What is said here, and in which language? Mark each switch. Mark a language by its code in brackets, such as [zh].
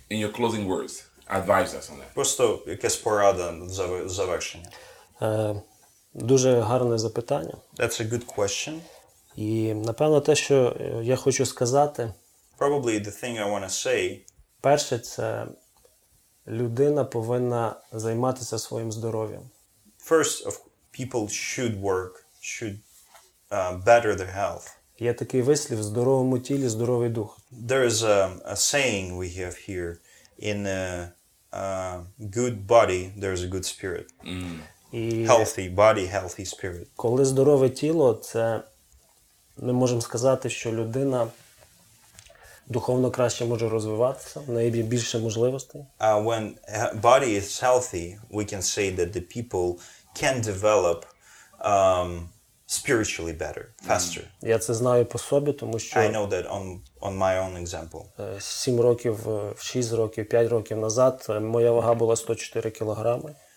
[en] In your closing words, advise us on that. [uk] Просто якась порада завершення. Дуже гарне запитання. [en] That's a good question. [uk] І, напевно, те, що я хочу сказати, [en] probably the thing I want to say, [uk] перше, це людина повинна займатися своїм здоров'ям. [en] First of people should work, should better their health. [uk] Є такий вислів: в здоровому тілі здоровий дух. [en] There is a saying we have here: in a good body there is a good spirit. Healthy body, healthy spirit. [uk] Коли здорове тіло, це ми можемо сказати, що людина духовно краще може розвиватися, в неї більше можливостей. [en] When body is healthy, we can say that the people can develop spiritually better, faster. [uk] Я це знаю по собі, тому що [en] I know that on my own example. [uk] 7 років, 6 років, 5 років назад моя вага була 104 кілограми.